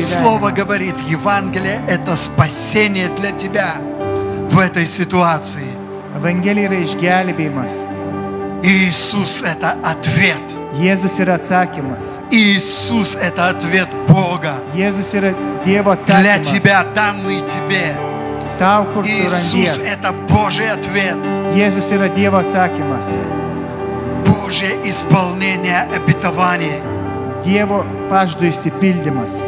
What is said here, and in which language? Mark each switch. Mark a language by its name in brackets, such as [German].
[Russian] Слово говорит, Евангелие это спасение для тебя в этой ситуации. [Lithuanian] Evangelija yra išgelbėjimas. [Russian] Иисус – это ответ. [Lithuanian] Jėzus yra atsakymas. [Russian] Иисус – это ответ Бога. [Lithuanian] Jėzus yra Dievo atsakymas. [Russian] Для тебя, данный тебе. [Lithuanian] Tau, kur tu randies. [Russian] Иисус – это Божий ответ. [Lithuanian] Jėzus yra Dievo atsakymas. [Russian] Божие исполнение обетований. [Lithuanian] Dievo pažado išsipildymas.